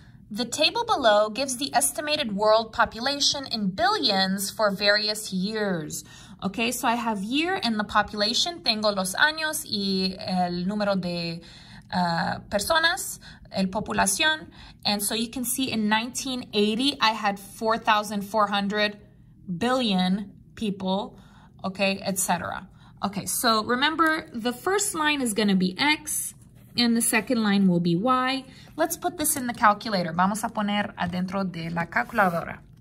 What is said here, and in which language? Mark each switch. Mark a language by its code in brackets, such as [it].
[en] The table below gives the estimated world population in billions for various years. Okay, so I have year and the population. [es] Tengo los años y el número de personas, el población. [en] And so you can see in 1980, I had 4,400 billion people, okay, etc. Okay, so remember, the first line is going to be X, and the second line will be Y. Let's put this in the calculator. [es] Vamos a poner adentro de la calculadora.